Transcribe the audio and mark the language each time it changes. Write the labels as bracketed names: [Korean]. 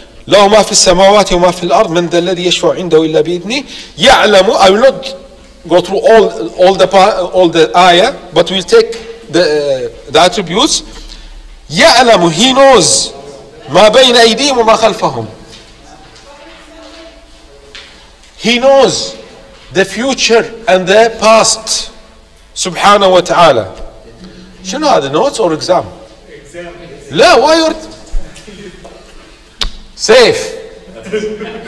[Arabic] له ما في السماوات وما في الأرض من ذا الذي يشفع عنده إلا بإذنه يعلم. [English] I will not go through all the ayah, but we'll take the attributes. [Arabic] يعلم. [English] He knows [Arabic] ما بين أيديهم وما خلفهم. [English] He knows the future and the past, subhanahu wa ta'ala. Shouldn't I have the notes or exam? Exam. La, why you're safe?